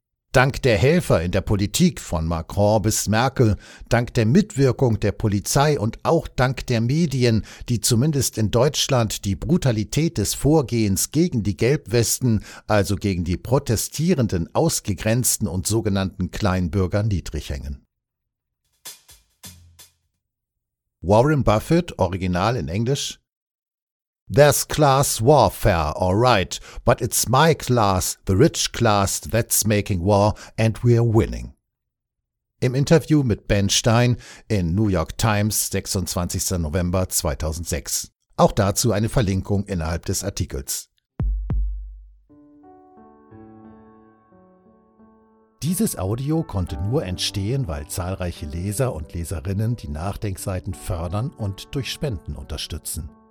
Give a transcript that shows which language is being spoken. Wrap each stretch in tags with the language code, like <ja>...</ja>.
<de>Dank der Helfer in der Politik von Macron bis Merkel, dank der Mitwirkung der Polizei und auch dank der Medien, die zumindest in Deutschland die Brutalität des Vorgehens gegen die Gelbwesten, also gegen die protestierenden, ausgegrenzten und sogenannten Kleinbürger niedrig hängen.</de> <en>Warren Buffett,</en> <de>original in Englisch:</de> <en>There's class warfare, all right, but it's my class, the rich class, that's making war, and we're winning.</en> <de>Im Interview mit Ben Stein in New York Times, 26. November 2006. Auch dazu eine Verlinkung innerhalb des Artikels. Dieses Audio konnte nur entstehen, weil zahlreiche Leser und Leserinnen die Nachdenkseiten fördern und durch Spenden unterstützen.</de>